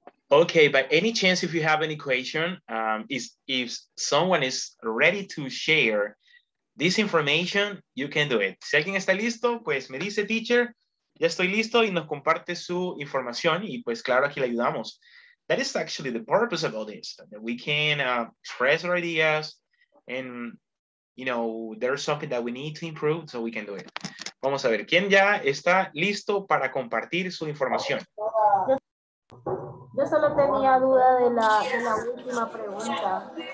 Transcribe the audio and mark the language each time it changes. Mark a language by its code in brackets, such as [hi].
[en] Okay, by any chance, if you have any question, if someone is ready to share this information, you can do it. [es] Si alguien está listo, pues me dice, teacher, ya estoy listo, y nos comparte su información, y pues claro, aquí le ayudamos. [en] That is actually the purpose of all this, that we can express our ideas, and, you know, there's something that we need to improve, so we can do it. [es] Vamos a ver, ¿quién ya está listo para compartir su información? Yo solo tenía duda de la última pregunta.